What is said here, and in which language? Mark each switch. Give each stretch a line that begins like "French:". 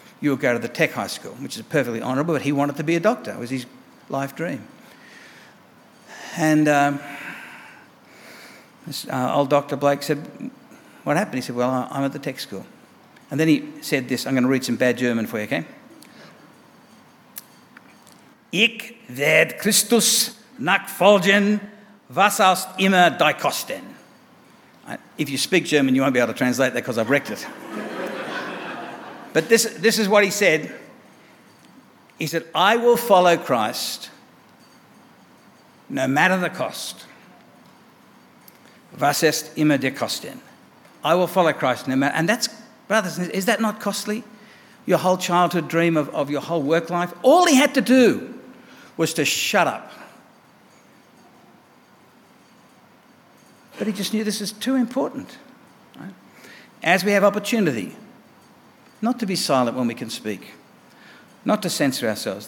English: You will go to the tech high school, which is perfectly honourable, but he wanted to be a doctor. It was his life dream. And old Dr. Blake said, what happened? He said, well, I'm at the tech school. And then he said this. I'm going to read some bad German for you, okay?
German: Ich werde Christus nachfolgen, was aus immer die Kosten.
English: If you speak German, you won't be able to translate that because I've wrecked it. But this is what he said. He said, I will follow Christ no matter the cost.
German: Was ist immer die Kosten.
English: I will follow Christ no matter. And that's, brothers, is that not costly? Your whole childhood dream of your whole work life, all he had to do was to shut up. But he just knew this is too important. Right? As we have opportunity, not to be silent when we can speak, not to censor ourselves.